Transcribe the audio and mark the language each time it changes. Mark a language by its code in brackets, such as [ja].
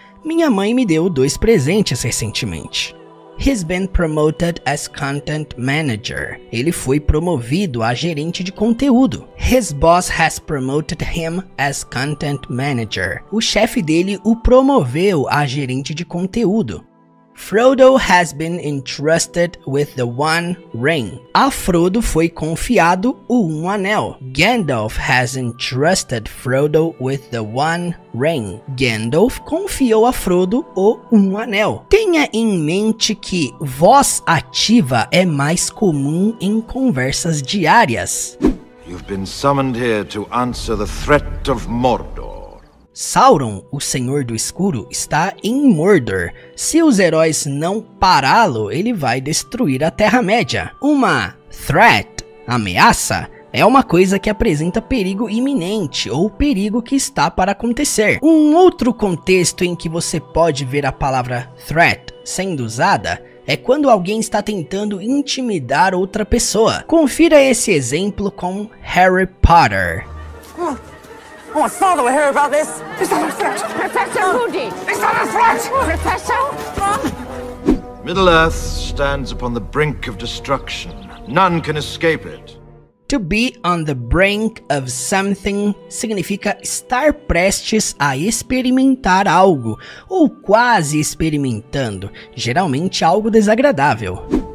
[pt] Minha mãe me deu 2 presentes recentemente. [en] He's been promoted as content manager. [pt] Ele foi promovido a gerente de conteúdo. [en] His boss has promoted him as content manager. [pt] O chefe dele o promoveu a gerente de conteúdo. [en] Frodo has been entrusted with the One Ring. [pt] A Frodo foi confiado o Um Anel. [en] Gandalf has entrusted Frodo with the One Ring. [pt] Gandalf confiou a Frodo o Um Anel. Tenha em mente que voz ativa é mais comum em conversas diárias. [en] You've been summoned here to answer the threat of Mordor. [pt] Sauron, o Senhor do Escuro, está em Mordor. Se os heróis não pará-lo, ele vai destruir a Terra-média. Uma threat, ameaça, é uma coisa que apresenta perigo iminente ou perigo que está para acontecer. Um outro contexto em que você pode ver a palavra threat sendo usada é quando alguém está tentando intimidar outra pessoa. Confira esse exemplo com Harry Potter. [en] Oh, it's not that we hear about this. Is that a threat? Professor Moody! Is that a threat? Professor? Middle-earth stands upon the brink of destruction. None can escape it. To be on the brink of something [pt] significa estar prestes a experimentar algo, ou quase experimentando, geralmente algo desagradável.